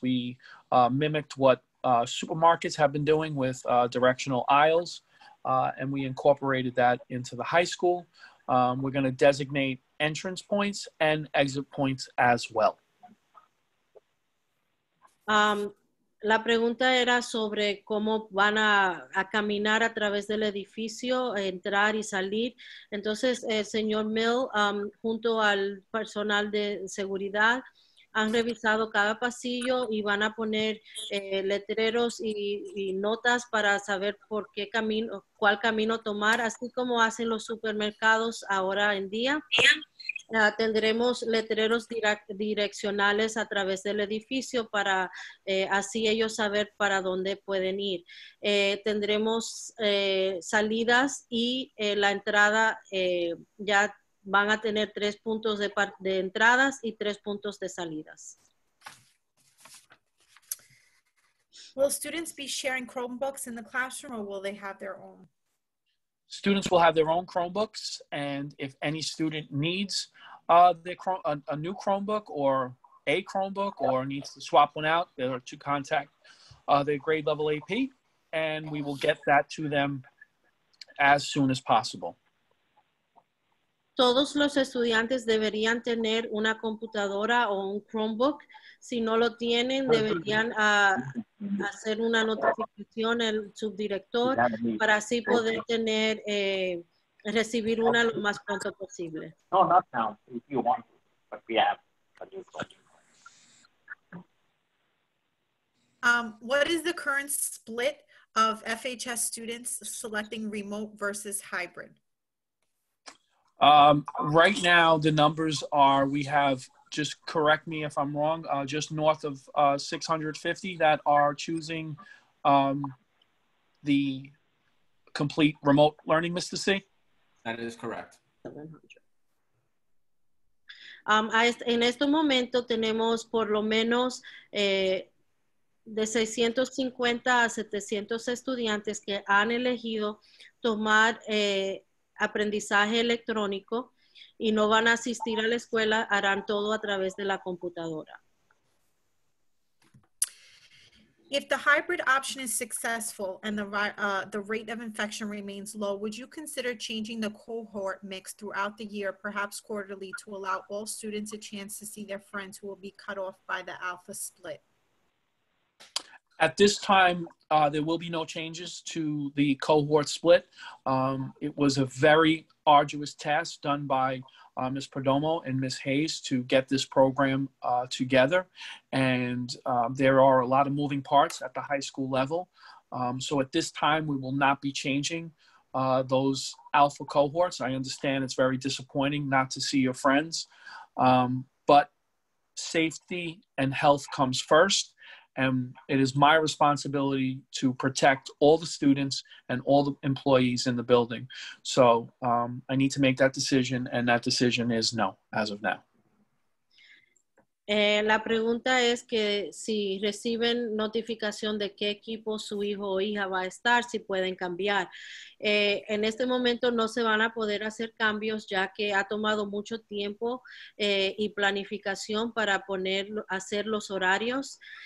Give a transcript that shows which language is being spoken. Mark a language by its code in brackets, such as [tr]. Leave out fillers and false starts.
[en] We mimicked what supermarkets have been doing with directional aisles, and we incorporated that into the high school. We're going to designate entrance points and exit points as well. [es] La pregunta era sobre cómo van a caminar a través del edificio, entrar y salir. Entonces, el señor Mill, junto al personal de seguridad, han revisado cada pasillo y van a poner letreros y notas para saber por qué camino, cuál camino tomar, así como hacen los supermercados ahora en día. Tendremos letreros direccionales a través del edificio para así ellos saber para dónde pueden ir. Tendremos salidas y la entrada ya van a tener tres puntos de entradas y tres puntos de salidas. [en] Will students be sharing Chromebooks in the classroom or will they have their own? Students will have their own Chromebooks, and if any student needs a new Chromebook or a Chromebook or needs to swap one out, they are to contact their grade level AP, and we will get that to them as soon as possible. [es] Todos los estudiantes deberían tener una computadora o un Chromebook. Si no lo tienen, deberían hacer una notificación al subdirector para así poder tener, recibir una lo más pronto posible. [en] No, not now. If you want, but we have a new What is the current split of FHS students selecting remote versus hybrid? Right now, the numbers are, we have, just correct me if I'm wrong, just north of 650 that are choosing the complete remote learning, Mr. C? That is correct. En este momento tenemos por lo menos de 650 a 700 estudiantes que han elegido tomar aprendizaje electrónico y no van a asistir a la escuela, harán todo a través de la computadora. If the hybrid option is successful and the rate of infection remains low, would you consider changing the cohort mix throughout the year, perhaps quarterly, to allow all students a chance to see their friends who will be cut off by the alpha split? At this time, there will be no changes to the cohort split. It was a very arduous task done by Ms. Perdomo and Ms. Hayes to get this program together. And there are a lot of moving parts at the high school level. So at this time, we will not be changing those alpha cohorts. I understand it's very disappointing not to see your friends, but safety and health comes first. And it is my responsibility to protect all the students and all the employees in the building. So I need to make that decision, and that decision is no, as of now. [es] La pregunta es que si reciben notificación de qué equipo su hijo o hija va a estar, si pueden cambiar. En este momento no se van a poder hacer cambios ya que ha tomado mucho tiempo y planificación para hacer los horarios.